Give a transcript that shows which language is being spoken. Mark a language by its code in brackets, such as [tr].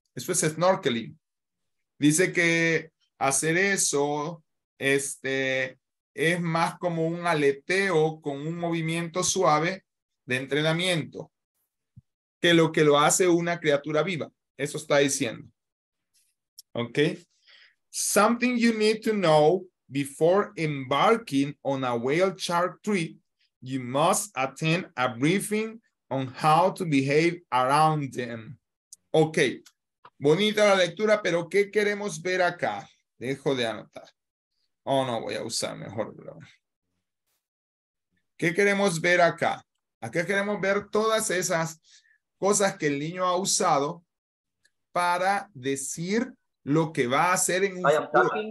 [es] Eso es snorkeling. Dice que hacer eso, este, es más como un aleteo con un movimiento suave de entrenamiento que lo hace una criatura viva. Eso está diciendo. Ok. [en] Something you need to know before embarking on a whale shark trip, you must attend a briefing on how to behave around them. Ok. [es] Bonita la lectura, pero ¿qué queremos ver acá? Dejo de anotar. Oh, no, voy a usar mejor. ¿Qué queremos ver acá? Acá queremos ver todas esas cosas que el niño ha usado para decir lo que va a hacer en un futuro.